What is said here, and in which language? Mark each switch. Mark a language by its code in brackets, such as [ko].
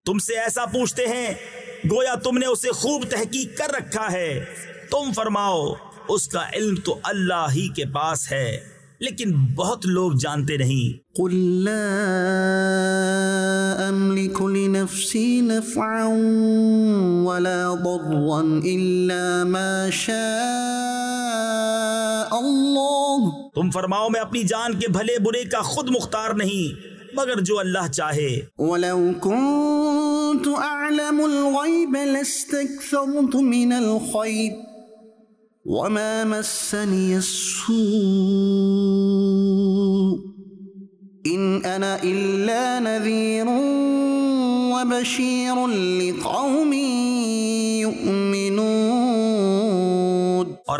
[ur] تم سے ایسا پوچھتے ہیں گویا تم نے اسے خوب تحقیق کر رکھا ہے. تم فرماؤ اس کا علم تو اللہ ہی کے پاس ہے لیکن بہت لوگ جانتے نہیں. [ar] قل لا املك لنفسي نفعا ولا ضرا الا ما شاء اللہ [ur] تم فرماؤ میں اپنی جان کے بھلے برے کا خود مختار نہیں مگر جو اللہ چاہے. [ar] وَلَوْ كُنْتُ أَعْلَمُ الْغَيْبَ لَاسْتَكْثَرْتُ مِنَ الْخَيْرِ وَمَا مَسَّنِيَ السُّوءُ إِنْ أَنَا إِلَّا نَذِيرٌ وَبَشِيرٌ لِقَوْمٍ يُؤْمِنُونَ